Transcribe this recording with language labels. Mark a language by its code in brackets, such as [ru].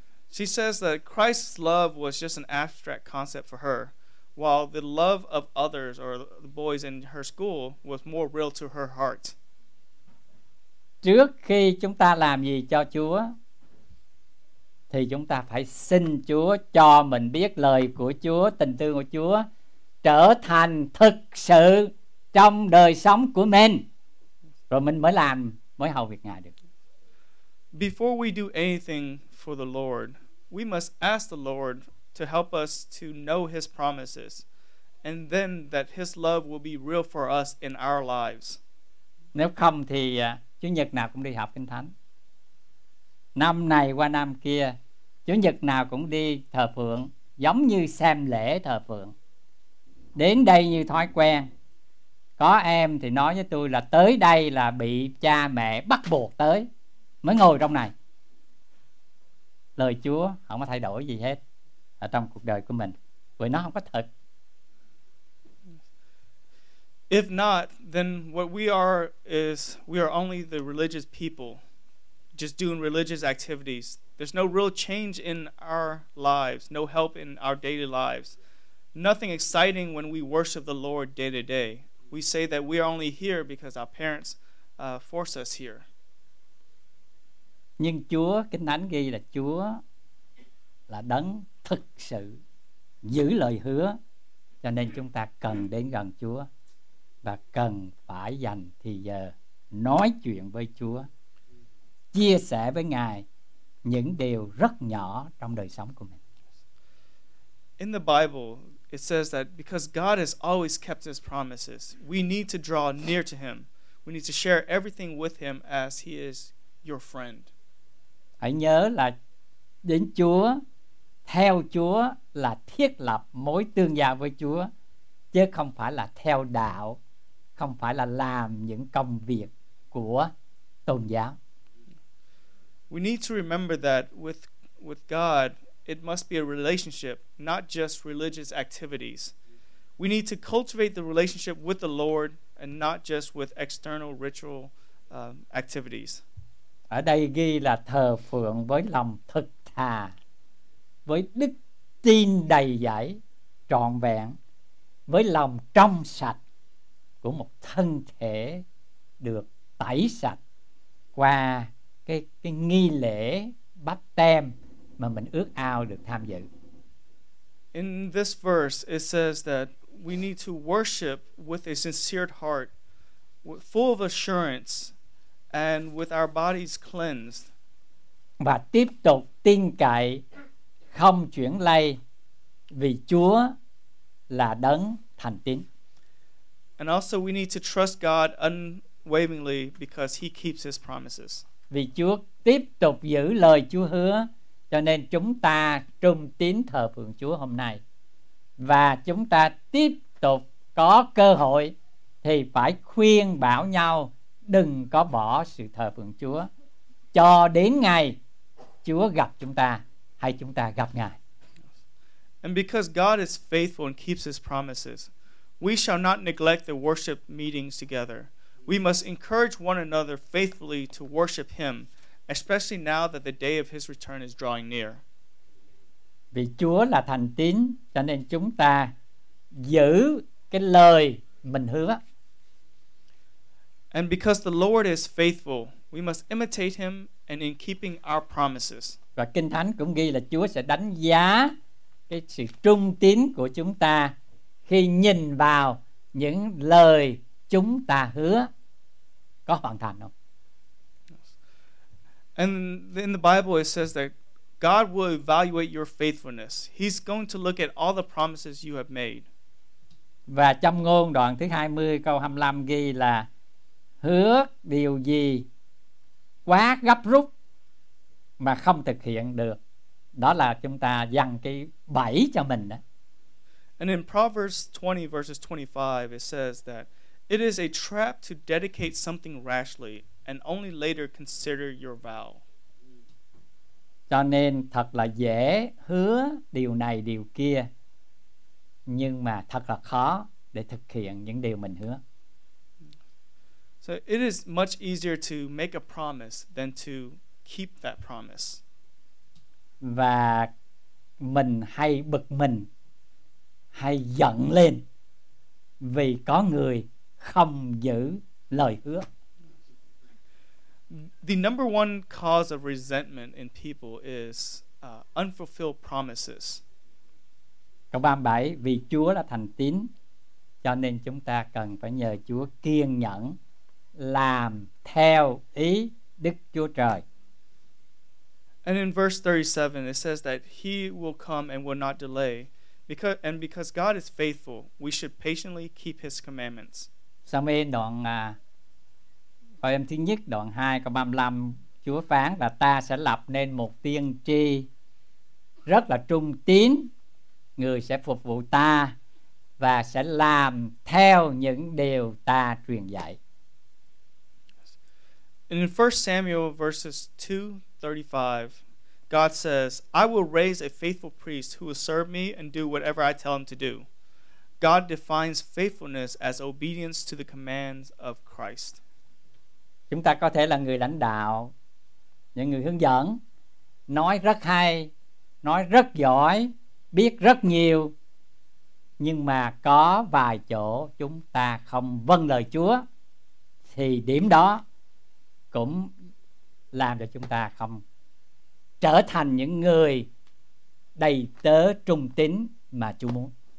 [en] She says that Christ's love was just an abstract concept for her, while the love of others or the boys in her school was more real to her heart. [vi] Trước khi chúng ta làm gì cho Chúa thì chúng ta phải xin Chúa cho mình biết lời của Chúa, tình thương của Chúa trở thành thực sự trong đời sống của mình, rồi mình mới làm, mới hầu việc Ngài được. [en] Before we do anything for the Lord, we must ask the Lord to help us to know his promises, and then that his love will be real for us in our lives. [vi] Nếu không thì Chủ nhật nào cũng đi học Kinh Thánh, năm này qua năm kia Chủ nhật nào cũng đi thờ phượng, giống như xem lễ thờ phượng, đến đây như thói quen. Có em thì nói với tôi là tới đây là bị cha mẹ bắt buộc tới mới ngồi trong này. Lời Chúa không có thay đổi gì hết ở trong cuộc đời của mình, vì nó không có thật. [en] If not, then what we are is we are only the religious people just doing religious activities. There's no real change in our lives, no help in our daily lives. Nothing exciting when we worship the Lord day to day. We say that we are only here because our parents force us here. [vi] Nhưng Chúa, Kinh Thánh ghi là Chúa là đấng thực sự giữ lời hứa, cho nên chúng ta cần đến gần Chúa và cần phải dành thì giờ nói chuyện với Chúa, chia sẻ với Ngài những điều rất nhỏ trong đời sống của mình. [en] In the Bible, it says that because God has always kept his promises, we need to draw near to him. We need to share everything with him as he is your friend. [vi] Hãy nhớ là đến Chúa theo Chúa là thiết lập mối tương giao với Chúa, chứ không phải là theo đạo, không phải là làm những công việc của tôn giáo. [en] We need to remember that with God, it must be a relationship, not just religious activities. We need to cultivate the relationship with the Lord and not just with external ritual activities. [vi] Ở đây ghi là thờ phượng với lòng thật thà, với đức tin đầy dẫy, trọn vẹn, với lòng trong sạch của một thân thể được tẩy sạch qua cái nghi lễ bắp tem mà mình ước ao được tham dự. [en] In this verse, it says that we need to worship with a sincere heart, full of assurance, and with our bodies cleansed. [vi] Và tiếp tục tin cậy, không chuyển lay, vì Chúa là đấng thành tín. [en] And also we need to trust God unwaveringly because he keeps his promises. [vi] Vì Chúa tiếp tục giữ lời Chúa hứa, cho nên chúng ta trung tín thờ phượng Chúa hôm nay. Và chúng ta tiếp tục có cơ hội thì phải khuyên bảo nhau đừng có bỏ sự thờ phượng Chúa cho đến ngày Chúa gặp chúng ta hay chúng ta gặp Ngài. [en] And because God is faithful and keeps his promises, we shall not neglect the worship meetings together. We must encourage one another faithfully to worship him, especially now that the day of his return is drawing near. [vi] Vì Chúa là thành tín, cho nên chúng ta giữ cái lời mình hứa. [en] And because the Lord is faithful, we must imitate him and in keeping our promises. [vi] Và Kinh Thánh cũng ghi là Chúa sẽ đánh giá cái sự trung tín của chúng ta khi nhìn vào những lời chúng ta hứa có hoàn thành không. [en] And in the Bible it says that God will evaluate your faithfulness. He's going to look at all the promises you have made. [vi] Và Châm Ngôn đoạn thứ 20 câu 25 ghi là hứa điều gì quá gấp rút mà không thực hiện được. Đó là chúng ta dâng cái bẫy cho mình đó. [en] And in Proverbs 20 verses 25 it says that it is a trap to dedicate something rashly and only later consider your vow. [vi] Cho nên thật là dễ hứa điều này điều kia, nhưng mà thật là khó để thực hiện những điều mình hứa. [en] So it is much easier to make a promise than to keep that promise. [vi] Và mình hay bực mình, hay giận lên vì có người không giữ lời hứa. [en] The number one cause of resentment in people is unfulfilled promises. [vi] Câu 37, vì Chúa là thành tín, cho nên chúng ta cần phải nhờ Chúa kiên nhẫn làm theo ý Đức Chúa Trời. [en] And in verse 37 it says that he will come and will not delay, because God is faithful, we should patiently keep his commandments. [vi] Sa-mu-ên đoạn Phao em thứ nhất đoạn 2 câu 35, Chúa phán là ta sẽ lập nên một tiên tri rất là trung tín, người sẽ phục vụ ta và sẽ làm theo những điều ta truyền dạy. [en] In 1 Samuel verses 2:35, God says, I will raise a faithful priest who will serve me and do whatever I tell him to do. God defines faithfulness as obedience to the commands of Christ. [vi] Chúng ta có thể là người lãnh đạo, những người hướng dẫn, nói rất hay, nói rất giỏi, biết rất nhiều, nhưng mà có vài chỗ chúng ta không vâng lời Chúa, thì điểm đó cũng làm cho chúng ta không trở thành những người đầy tớ trung tín mà Chúa muốn.